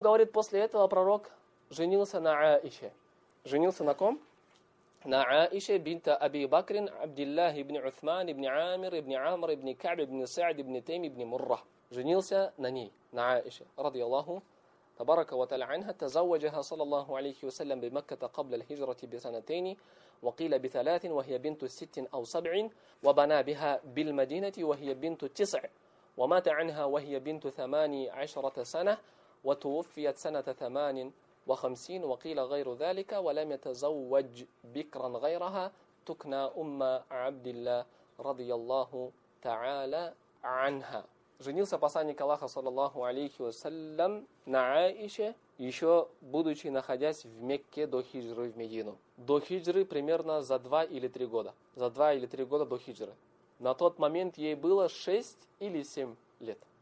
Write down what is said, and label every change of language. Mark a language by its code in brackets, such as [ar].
[ru] говорит, после этого пророк женился на Аише. Женился на ком? На Аише бинта Аби Бакрин, Абдиллах ибн Усман, ибн Амир, ибн Амр, ибн Каб, ибн Саад, ибн Тайм, ибн Мурра. Женился на ней, на Аише. Ради Аллаху. [ar] تبارك وتعالى عنها تزوجها صلى الله عليه وسلم بمكة قبل الهجرة بسنتين وقيل بثلاث وهي بنت ست أو سبع وبنى بها بالمدينة وهي بنت تسع ومات عنها وهي بنت ثمان عشرة سنة وتوفيت سنة ثمان وخمسين وقيل غير ذلك ولم يتزوج بكرا غيرها تكنى أم عبد الله رضي الله تعالى عنها. [ru] Женился посланник Аллаха, саллаллаху алейхи вассалям, на Аише, еще будучи находясь в Мекке до хиджры в Медину. До хиджры примерно за 2 или 3 года. За 2 или 3 года до хиджры. На тот момент ей было 6 или 7 лет.